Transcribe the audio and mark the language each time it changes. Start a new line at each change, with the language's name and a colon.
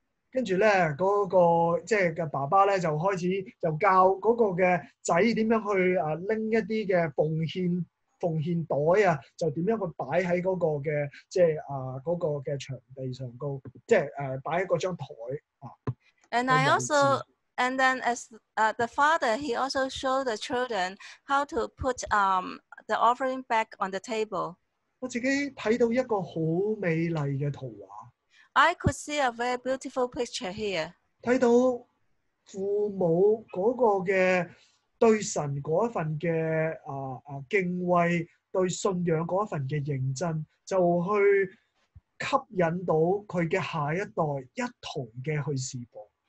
Cantonese: 跟住咧，嗰、那個即係嘅爸爸咧，就開始就教嗰個嘅仔點樣去啊拎一啲嘅奉獻袋啊，就點樣去擺喺嗰個嘅即係啊嗰個嘅場地上高，即係誒擺喺嗰張台啊。
English: And I also and then as the father, he also showed the children how to put the offering back on the table.
Cantonese: 我自己睇到一個好美麗嘅圖畫。
English: I could see a very beautiful picture here.
Cantonese: 睇到父母嗰個嘅對神嗰一份嘅敬畏，對信仰嗰一份嘅認真，就去吸引到佢嘅下一代一同嘅去侍奉。